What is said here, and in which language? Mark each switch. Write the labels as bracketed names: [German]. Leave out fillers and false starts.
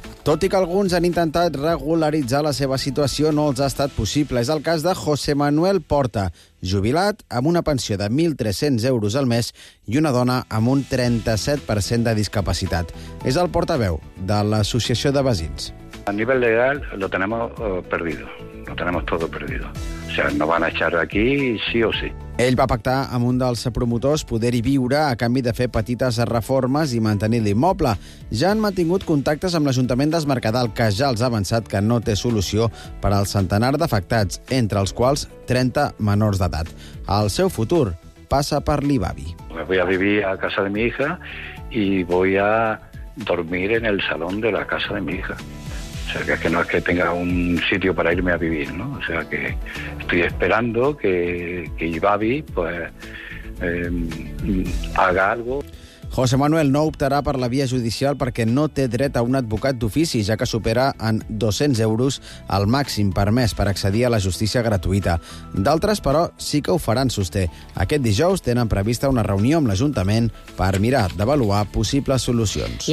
[Catalan] Tot i que alguns han intentat regularitzar la seva situació, no els ha estat possible. És el cas de José Manuel Porta, jubilat, amb una pensió de 1.300 euros al mes i una dona amb un 37% de discapacitat. És el portaveu de l'Associació de Veïns. [Spanish] A nivell legal lo tenemos perdido, lo tenemos todo perdido. O sea, no van a echar aquí sí o sí. [Catalan] Ell va pactar amb un dels promotors poder-hi viure a canvi de fer petites reformes i mantenir l'immoble. Ja han mantingut contactes amb l'Ajuntament d'Es Mercadal, que ja els ha avançat que no té solució per al centenar d'afectats, entre els quals 30 menors d'edat. El seu futur passa per l'Ibavi. [Spanish] Voy a vivir a casa de mi hija y voy a dormir en el salón de la casa de mi hija. O sea, que no es que tenga un sitio para irme a vivir, ¿no? O sea, que estoy esperando que Ibavi, pues, haga algo. [Catalan] José Manuel no optarà per la via judicial perquè no té dret a un advocat d'ofici, ja que supera en 200 euros el màxim permès per accedir a la justícia gratuïta. D'altres, però, sí que ho faran, sosté. Aquest dijous tenen prevista una reunió amb l'Ajuntament per mirar d'avaluar possibles solucions.